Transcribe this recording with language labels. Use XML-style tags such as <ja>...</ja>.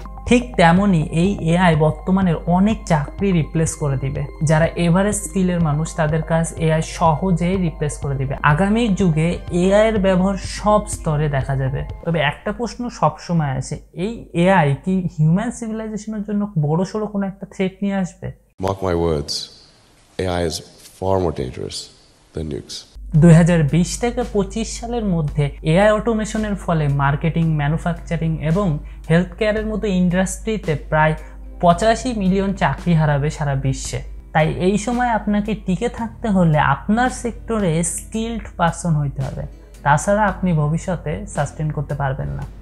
<bn>ঠিক তেমনই এই এআই বর্তমানের অনেক চাকরি রিপ্লেস করে দিবে। যারা এভারেজ স্কিলের মানুষ তাদের কাজ এআই সহজেই রিপ্লেস করে দিবে। আগামী যুগে এআই এর ব্যবহার সব স্তরে দেখা যাবে। তবে একটা প্রশ্ন সবসময় আসে, এই এআই কি হিউম্যান সিভিলাইজেশনের জন্য বড়সড় কোনো একটা থ্রেট নিয়ে আসবে?</bn> <en>Mark my words, AI is far more dangerous than nukes.</en> <bn>2020 থেকে 25 সালের মধ্যে এআই অটোমেশনের ফলে মার্কেটিং, ম্যানুফ্যাকচারিং এবং হেলথ কেয়ারের মতো ইন্ডাস্ট্রিতে প্রায় 85 মিলিয়ন চাকরি হারাবে সারা বিশ্বে। তাই এই সময় আপনাকে টিকে থাকতে হলে আপনার সেক্টরে স্কিল্ড পার্সন হইতে হবে, তাছাড়া আপনি ভবিষ্যতে সাস্টেন করতে পারবেন না।</bn>